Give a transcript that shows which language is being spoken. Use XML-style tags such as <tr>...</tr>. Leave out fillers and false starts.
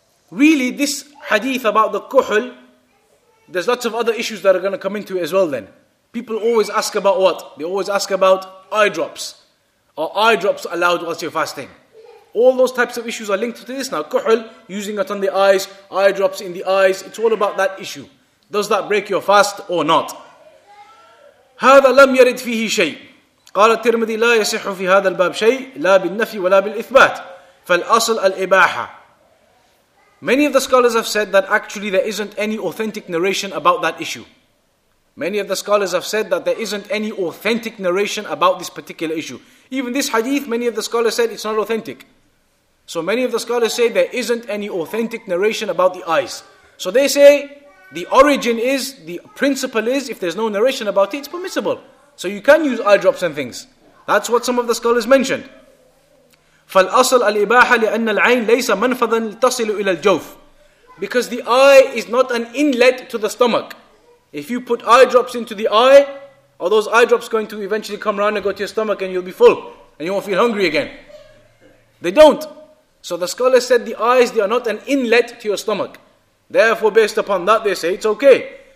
<en>Really, this hadith about the kuhl, there's lots of other issues that are going to come into it as well then. People always ask about what? They always ask about eye drops. Are eye drops allowed whilst you're fasting? All those types of issues are linked to this now. Kuhl, using it on the eyes, eye drops in the eyes, it's all about that issue. Does that break your fast or not?</en> <ar>هذا لم يرد فيه شيء. قال الترمذي لا يصح في هذا الباب شيء لا بالنفي ولا بالإثبات. فالأصل الإباحة.</ar> <en>Many of the scholars have said that actually there isn't any authentic narration about that issue. Many of the scholars have said that there isn't any authentic narration about this particular issue. Even this hadith, many of the scholars said it's not authentic. So many of the scholars say there isn't any authentic narration about the eyes. So they say the origin is, the principle is, if there's no narration about it, it's permissible. So you can use eye drops and things. That's what some of the scholars mentioned.</en> <ar>فالأصل الإباحة لأن العين ليس منفذا تصل إلى الجوف.</ar> <en>Because the eye is not an inlet to the stomach. If you put eye drops into the eye, are those eye drops going to eventually come around and go to your stomach and you'll be full and you won't feel hungry again? They don't. So the scholars said the eyes, they are not an inlet to your stomach. Therefore, based upon that, they say it's okay.</en>